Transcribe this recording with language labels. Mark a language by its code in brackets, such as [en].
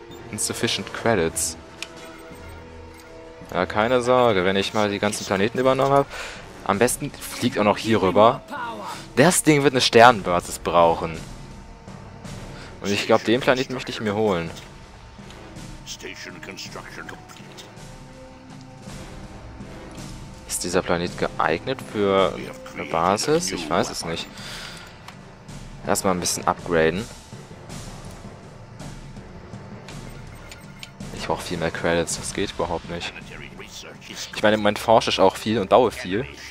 [en] Insufficient Credits. [de] Ja, keine Sorge, wenn ich mal die ganzen Planeten übernommen habe. Am besten fliegt auch noch hier rüber. Das Ding wird eine Sternenbasis brauchen. Und ich glaube, den Planeten möchte ich mir holen. [en] Station Construction complete. [de] Ist dieser Planet geeignet für eine Basis? Ich weiß es nicht. Erstmal ein bisschen upgraden. Ich brauche viel mehr Credits, das geht überhaupt nicht. Ich meine, im Moment forsche ich auch viel und baue viel.